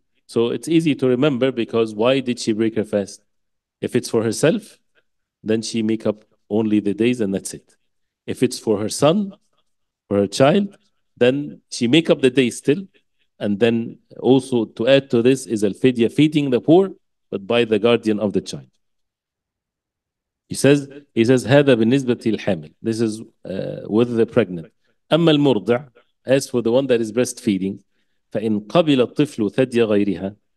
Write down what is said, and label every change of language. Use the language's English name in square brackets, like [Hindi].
[English] So it's easy to remember, because why did she break her fast? If it's for herself, then she make up only the days and that's it. If it's for her son, for her child, then she make up the day still. And then also to add to this is al-fidya, feeding the poor, but by the guardian of the child. He says, [Arabic] هَذَا بِالنِّسْبَةِ الْحَامِلِ. [English] This is with the pregnant. [Arabic] أَمَّا الْمُرْضِعِ. [English] As for the one that is breastfeeding, [Arabic] فَإِنْ قَبِلَ الطِّفْلُ ثَدْيَ غَيْرِهَا.